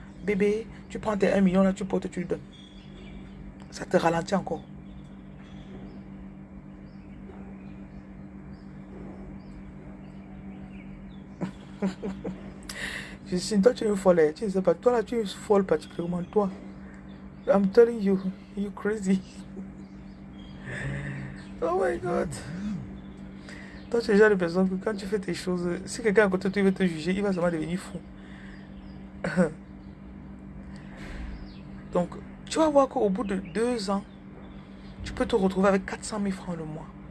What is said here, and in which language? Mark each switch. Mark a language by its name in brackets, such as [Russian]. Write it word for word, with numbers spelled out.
[French] Bébé, tu prends tes un million là, tu portes, tu lui donnes. Ça te ralentit encore. Je suis toi, tu es une folle. Tu ne sais pas. Toi là, tu es folle particulièrement. Toi. [English] I'm telling you, you crazy. Oh my god. [French] Toi, tu es déjà une personne que quand tu fais tes choses, si quelqu'un à côté de toi veut te juger, il va seulement devenir fou. Donc, tu vas voir qu'au bout de deux ans, tu peux te retrouver avec quatre cent mille francs le mois.